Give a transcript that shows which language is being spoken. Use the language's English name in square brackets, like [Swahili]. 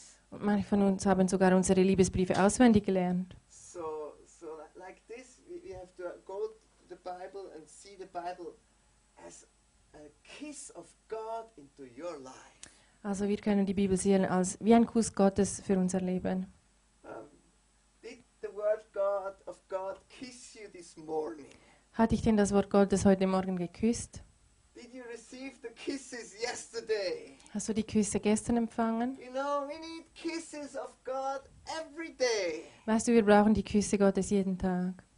[German] Manche von uns haben sogar unsere Liebesbriefe auswendig gelernt. [English] So like this, we have to go to the Bible and see the Bible as a kiss of God into your life. [German] Also wir können die Bibel sehen als wie ein Kuss Gottes für unser Leben. [English] Did the word God of God kiss you this morning? [German] Hat dich denn das Wort Gottes heute Morgen geküsst? [English] Did you receive the kisses yesterday? [German] Hast du die Küsse gestern empfangen? [English] You know, we need kisses of God every day. [German] Weißt du, wir brauchen die Küsse Gottes jeden Tag.